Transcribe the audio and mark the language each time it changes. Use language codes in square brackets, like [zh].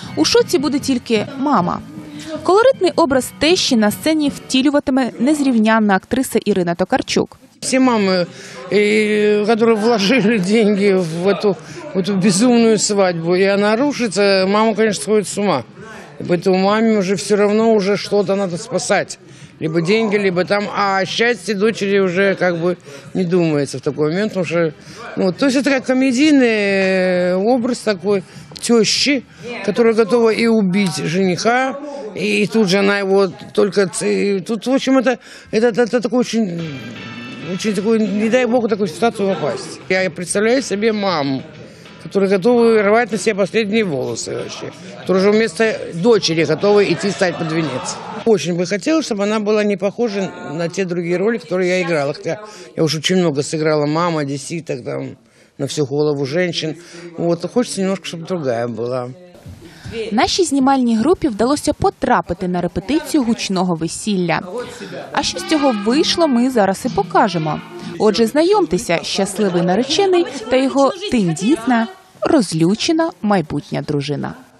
[uk] У шоці буде тільки мама. Колоритний образ тещі на сцені втілюватиме незрівнянна актриса Ірина Токарчук. Всі мами, які вложили гроші в цю безумну свадьбу, і вона рушиться, мама, звісно, сходить з ума. [ru] Поэтому маме уже все равно уже что-то надо спасать. Либо деньги, либо там. А о счастье дочери уже как бы не думается в такой момент. Потому что, ну, то есть это как комедийный образ такой тещи, которая готова и убить жениха. И тут же она его только... Тут, в общем, это такой очень... Очень такой, не дай бог, такую ситуацию попасть. Я представляю себе маму, которые готовы рвать на себе последние волосы вообще. Которые уже вместо дочери готовы идти стать под венец. Очень бы хотелось, чтобы она была не похожа на те другие роли, которые я играла. Хотя я уж очень много сыграла мама, одесситок, там, на всю голову женщин. Вот, хочется немножко, чтобы другая была. [uk] Нашій знімальній групі вдалося потрапити на репетицію гучного весілля. А що з цього вийшло, ми зараз і покажемо. Отже, знайомтеся, щасливий наречений та його тендітна, розлючена майбутня дружина.